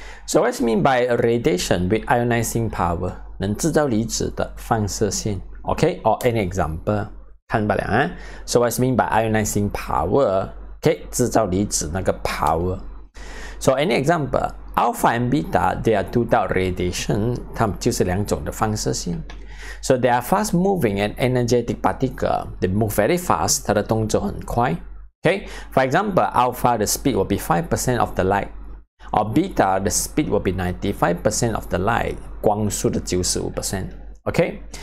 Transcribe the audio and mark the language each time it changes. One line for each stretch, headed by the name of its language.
English: So what's mean by radiation with ionizing power?
Chinese: 能制造离子的放射性。Okay.
English: Or any example.
Chinese: 看吧两啊。
English: So what's mean by ionizing power? Okay.
Chinese: 制造离子那个
English: power. So any example. Alpha and beta, they are two dot radiation.
Chinese: 它们就是两种的放射性。
English: So they are fast moving and energetic particle. They move very fast.
Chinese: 它的动作很快.
English: Okay. For example, alpha, the speed will be 5% of the light. Or beta, the speed will be 95% of the light.
Chinese: 光速的 95%. Okay.